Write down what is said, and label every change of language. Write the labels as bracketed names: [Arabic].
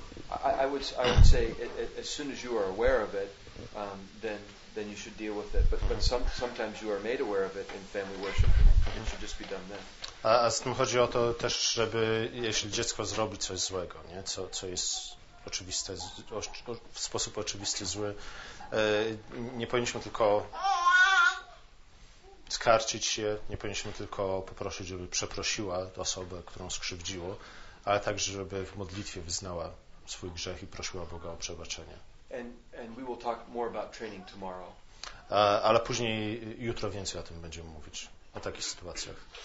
[English] I would say it, as soon as you are aware of it, then you should deal with it. But sometimes you are made aware of it in family worship, and it should just be done then. [Polish] A z tym chodzi o to też, żeby jeśli dziecko zrobi coś złego, nie? Co jest oczywiste, w sposób oczywisty zły, nie powinniśmy tylko skarcić się, nie powinniśmy tylko poprosić, żeby przeprosiła osobę, którą skrzywdziło, ale także, żeby w modlitwie wyznała swój grzech i prosiła Boga o przebaczenie. [English] And we will talk more about training tomorrow. [Polish] Ale później, jutro więcej o tym będziemy mówić, o takich sytuacjach.